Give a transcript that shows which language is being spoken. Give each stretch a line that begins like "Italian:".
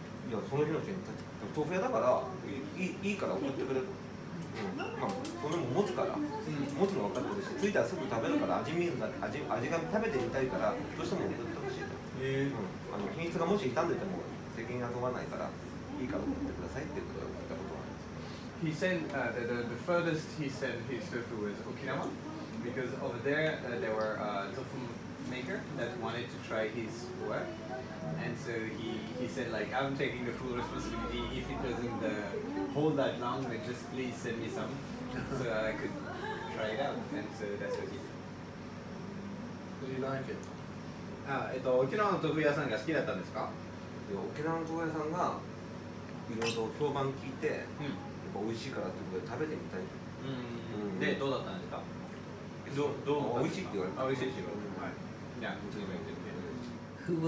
Japanese: いやその日のうちに豆腐屋だから いいから送ってくれと、まあ、それも持つから、うん、持つの分かってるし着いたらすぐ食べるから味見るんだって味が食べてみたいからどうしても送ってほしいと、あの秘密がもし傷んでても責任が問わないからいいから送ってくださいっていうことを言ったことがあります。
English: He sent the furthest he sent his tofu was Okinawa because over there there were a tofu maker that wanted to try his work, and so he said like I'm taking the full responsibility if it doesn't hold that long, then just please send me some so I could try it out, and so that's what he did. Do you like it?
Japanese: Okinawa tofu 屋さんが好きだったんですか？いや、沖縄の豆腐屋さんがいろいろ評判聞いて。美味しいからってことで食べてみたい、うんうんうん、で、どうだったんですか。どう美味しいって言われた。美味しいって言われた、はい、じゃあ、次も